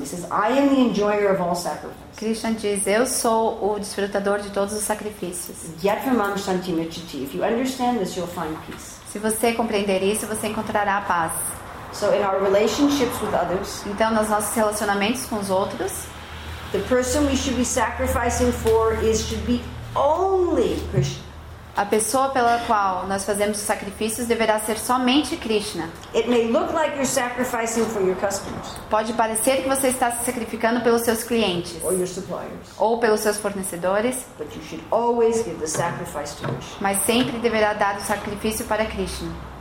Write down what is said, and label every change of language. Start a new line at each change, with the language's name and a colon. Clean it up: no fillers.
English: He says, "I am the enjoyer of all sacrifices."
Portuguese: Krishna diz, "Eu sou o desfrutador de todos os sacrifícios."
English: Yatramam shanti michiti. If you understand this, you'll find peace.
Portuguese: Se você compreender isso, você encontrará a paz.
English: So in our relationships with others,
Portuguese: então nos nossos relacionamentos com os outros,
English: the person we should be sacrificing for should be only Krishna.
Portuguese: A pessoa pela qual nós fazemos os sacrifícios deverá ser somente Krishna.
English: It may look like you're sacrificing for your customers.
Portuguese: Pode parecer que você está se sacrificando pelos seus clientes.
English: Or your suppliers.
Portuguese: Ou pelos seus fornecedores.
English: But you should always give the sacrifice to Krishna.
Portuguese: Mas sempre deverá dar o sacrifício para Krishna.